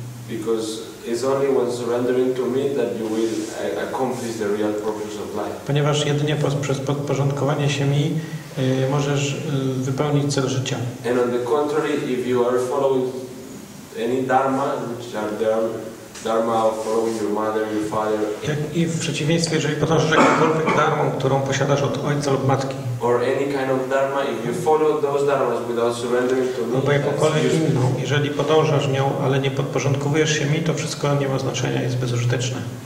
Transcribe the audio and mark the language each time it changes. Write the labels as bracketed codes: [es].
[en] Because it's only when surrendering to me that you will accomplish the real purpose of life. [pl] Ponieważ jedynie przez podporządkowanie się mi możesz wypełnić cel życia. [en] And on the contrary, if you are following any dharma, which are there. Dharma, following your mother, your father. [pl] I w przeciwieństwie, jeżeli podążasz jakąkolwiek darmą, którą posiadasz od ojca lub matki. [en] or any kind of dharma, if you follow those dharmas without surrendering to me, [pl] no, jeżeli podążasz nią, ale nie podporządkowujesz się mi, to wszystko nie ma znaczenia, jest bezużyteczne.